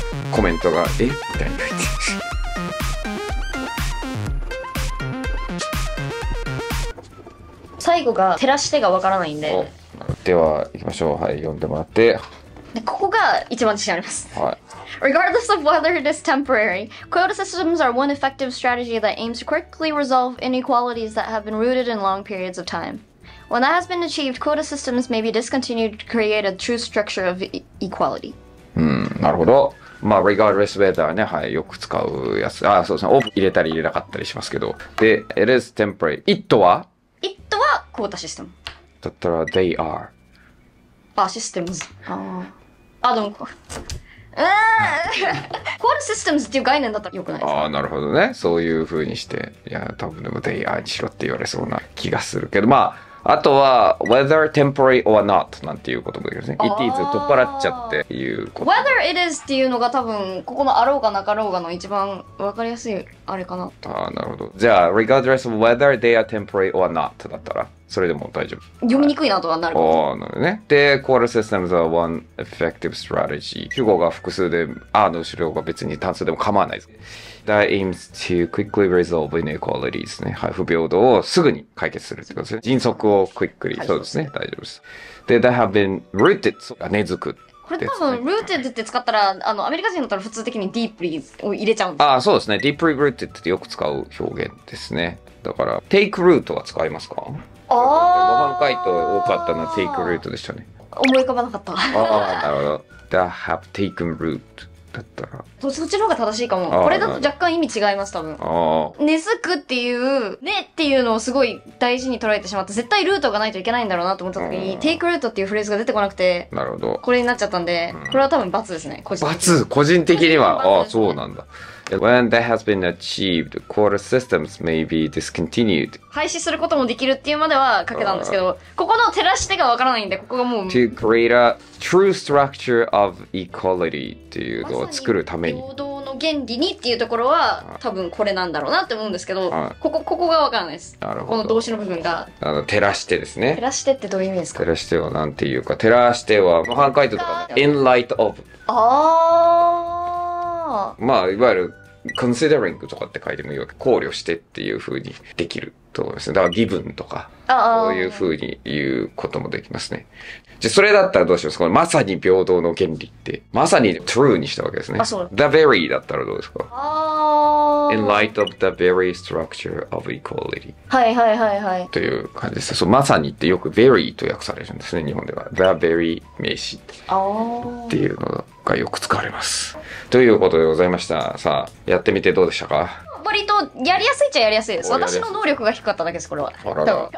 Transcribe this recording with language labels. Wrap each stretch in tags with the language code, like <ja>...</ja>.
<ja>コメントがえみたいに書いてが照らしてがわからないんで。では行きましょう。はい、読んでもらって。でここが一番自信あります。はい。</ja> <en>Regardless of whether it is temporary, quota systems are one effective strategy that aims to quickly resolve inequalities that have been rooted in long periods of time. When that has been achieved, quota systems may be discontinued to create a true structure of equality.</en> <ja>なるほど。まあ、</ja> <en>regardless whether</en> <ja>ね、はい、よく使うやつ。ああ、そうですね。オープン入れたり入れなかったりしますけど。</ja> <en>で、it is temporary. It は？</en> <ja>It はクォータシステム。だったら</ja> <en>they are。</en> <ja>あ、システムズ。ああ。あ、でも、クォータシステムズっていう概念だったらよくないですか。ああ、なるほどね。そういう風にして、いや、多分でも</ja> <en>they are</en> <ja>にしろって言われそうな気がするけど、まあ、あとは</ja> <en>whether temporary or not</en> <ja>なんていうこともできるんですね。</ja> <en>It is</en> <ja>取っ払っちゃっていうこと。</ja> <en>whether it is</en> <ja>っていうのが多分ここのあろうがなかろうがの一番わかりやすいあれかな。ああなるほど。じゃあ</ja> <en>regardless of whether they are temporary or not</en> <ja>だったらそれでも大丈夫。読みにくいなとはなるか。ああなるね。で</ja> <en>quota systems are one effective strategy。</en> <ja>主語が複数で、あの後ろが別に単数でも構わないです。</ja> <en>That aims to quickly resolve inequalities</en> <ja>ね、はい、不平等をすぐに解決するってことですね。迅速を quickly、はい、そうですね、大丈夫です。で、</ja> <en>that have been rooted、</en> <ja>根付く、ね。これ多分 rooted って使ったら、あのアメリカ人だったら普通的に deeply を入れちゃうんです。ああ、そうですね。</ja> <en>deeply rooted</en> <ja>ってよく使う表現ですね。だから</ja> <en>take root</en> <ja>は使いますか？ああ。模範解答多かったのは</ja> <en>take root</en> <ja>でしたね。思い浮かばなかった。ああ、なるほど。</ja> <en>that have taken root。</en> <ja>だったらそっちの方が正しいかも。これだと若干意味違います多分。根付くっていう根っていうのをすごい大事に捉えてしまって、絶対ルートがないといけないんだろうなと思った時に</ja> <en>take root</en> <ja>っていうフレーズが出てこなくて、なるほど、これになっちゃったんで、これは多分罰ですね。罰、個人的には。ああそうなんだ。</ja> <en>When that has been achieved, quota systems may be discontinued.</en> <ja>廃止することもできるっていうまでは書けたんですけど、ここの照らし手がわからないんで、ここがもう</ja> <en>to create a true structure of equality</en> <ja>っていうのを作るために、まさに平等の原理にっていうところは多分これなんだろうなって思うんですけど、ここがわからないです。なるほど。この動詞の部分が、あの照らしてですね。照らしてってどういう意味ですか。照らしてはなんていうか、照らしては模範解答とか、ね、</ja> <en>in light of。</en> <ja>あー、まあいわゆる considering とかって書いてもいいわけ、考慮してっていう風にできるそうですね。だから、義分とか、そういうふうに言うこともできますね。じゃ、それだったらどうしますか？まさに平等の原理って。まさに true にしたわけですね。あ、そう。</ja> <en>The very</en> <ja>だったらどうですか？ああ。</ja> <en>In light of the very structure of equality.</en> <ja>はいはいはいはい。という感じです。そう、まさにってよく very と訳されるんですね、日本では。</ja> <en>The very</en> <ja>名詞って。ああ。っていうのがよく使われます。ということでございました。さあ、やってみてどうでしたか？割とやりやすいっちゃやりやすいです。私の能力が低かっただけです、これは。あらら。</ja>